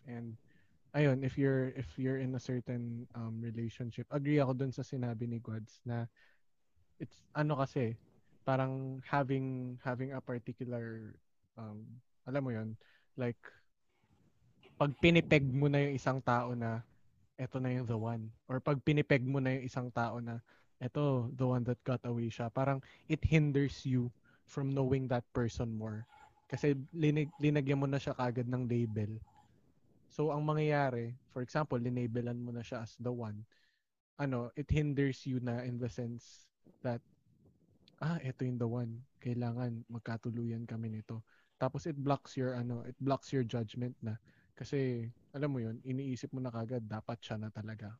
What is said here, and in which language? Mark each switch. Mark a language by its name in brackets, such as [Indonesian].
[Filipino] And ayun, [English] if you're in a certain relationship, [Filipino] agree ako dun sa sinabi ni Gods na it's ano kasi parang having a particular alam mo yon, [English] like pag pinipeg [Filipino] mo na yung isang tao na eto na yung the one. Or pag pinipeg mo na yung isang tao na eto, the one that got away siya. [English] Parang it hinders you from knowing that person more. [Filipino] Kasi linagyan mo na siya kagad ng label. So, ang mangyayari, [English] for example, [Filipino] linabelan mo na siya as the one. Ano, [English] it hinders you na in the sense that, [Filipino] ah, eto yung the one. Kailangan magkatuluyan kami nito. Tapos [English] it blocks your judgment [Filipino] na. Kasi, alam mo yun, iniisip mo na kagad, dapat siya na talaga.